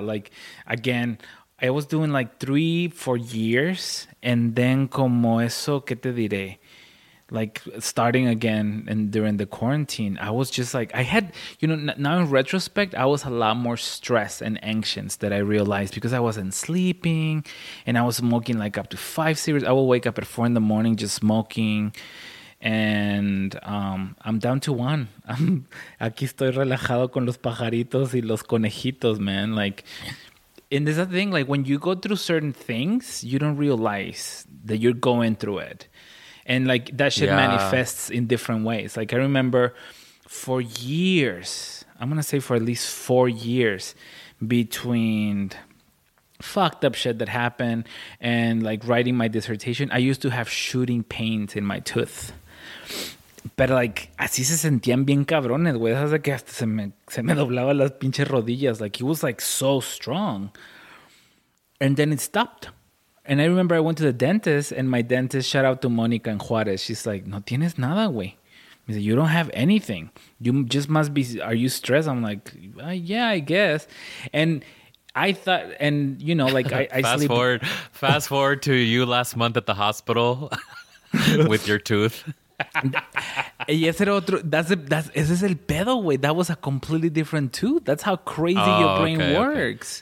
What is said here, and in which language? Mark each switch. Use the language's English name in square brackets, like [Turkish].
[English] Like, again, I was doing like 3-4 years, and then [Spanish] como eso que te diré, [English] like starting again and during the quarantine, I was just like, I had, you know, now in retrospect, I was a lot more stressed and anxious than I realized, because I wasn't sleeping and I was smoking like up to 5 cigarettes. I will wake up at 4 a.m. just smoking, and I'm down to 1. [Spanish] Aquí estoy relajado con los pajaritos y los conejitos, man. [English] Like, and there's a thing, like when you go through certain things, you don't realize that you're going through it. And like that shit manifests in different ways. Like, I remember for years, I'm going to say for at least 4 years, between fucked up shit that happened and like writing my dissertation, I used to have shooting pains in my tooth. [Spanish] Pero like, así se sentían bien cabrones, güey. Hasta que hasta se me doblaban las pinches rodillas. [English] Like, it was like so strong. And then it stopped. And I remember I went to the dentist, and my dentist, shout out to Monica and Juarez. She's like, [Spanish] no tienes nada, güey. [English] He said, you don't have anything. You just must be, are you stressed? I'm like, yeah, I guess. And I thought, and you know, like fast forward to you last month at the hospital with your tooth. [Spanish] Y ese era otro, ese es el pedo, güey. [English] That was a completely different tooth. That's how crazy your brain works.